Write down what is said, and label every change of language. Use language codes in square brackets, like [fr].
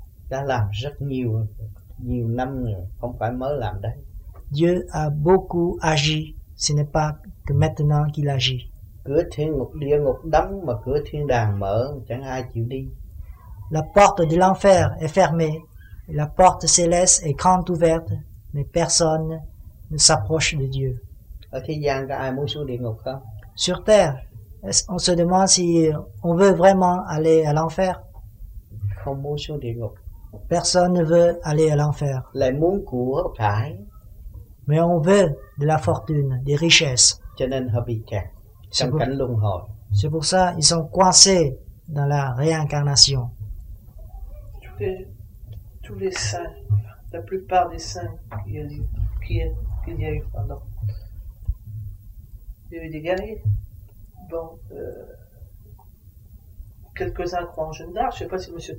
[vi] Đã làm rất nhiều năm rồi, không phải mới làm đấy. [fr] Dieu a beaucoup agi, ce n'est pas que maintenant qu'il agit. [vi] Cửa thiên ngục địa ngục đóng mà cửa thiên đàng mở, chẳng ai chịu đi. [fr] La porte de l'enfer est fermée, la porte céleste est grande ouverte, mais personne ne s'approche de Dieu. [vi] Ở thế gian có ai muốn xuống địa ngục không? [fr] Sur terre, on se demande si on veut vraiment aller à l'enfer. [vi] Không muốn xuống địa ngục. [fr] Personne ne veut aller à l'enfer. [vi] Lại muốn của cải. [fr] Mais on veut de la fortune, des richesses. [vi] Cho nên họ bị kẹt trong cảnh luân hồi. [fr] C'est pour ça ils sont coincés dans la réincarnation. Tous les saints, la plupart des saints qu'il y a eu, il y a eu des guerriers. Bon, quelques-uns croient en Jeanne d'Arc. Je ne sais pas si M.